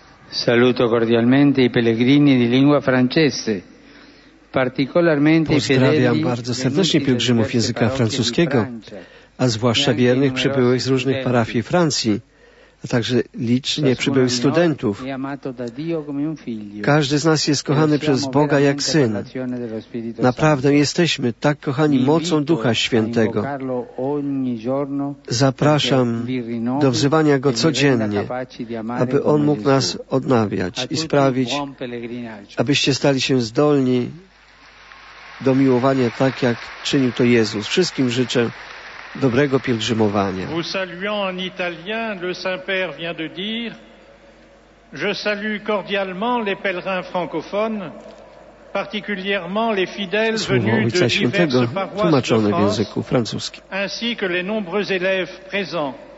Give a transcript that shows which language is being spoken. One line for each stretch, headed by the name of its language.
Italian: Saluto cordialmente i pellegrini di lingua francese.
Polish: Pozdrawiam bardzo serdecznie pielgrzymów języka francuskiego, a zwłaszcza wiernych przybyłych z różnych parafii Francji, a także licznie przybyłych studentów. Każdy z nas jest kochany przez Boga jak syn. Naprawdę jesteśmy tak kochani mocą Ducha Świętego. Zapraszam do wzywania Go codziennie, aby On mógł nas odnawiać i sprawić, abyście stali się zdolni do miłowania tak, jak czynił to Jezus. Wszystkim życzę dobrego pielgrzymowania.
French: Vous saluant en italien, le Saint-Père vient de dire: je salue cordialement les pèlerins francophones, particulièrement les fidèles venus de diverses paroisses de France, ainsi que les nombreux élèves présents.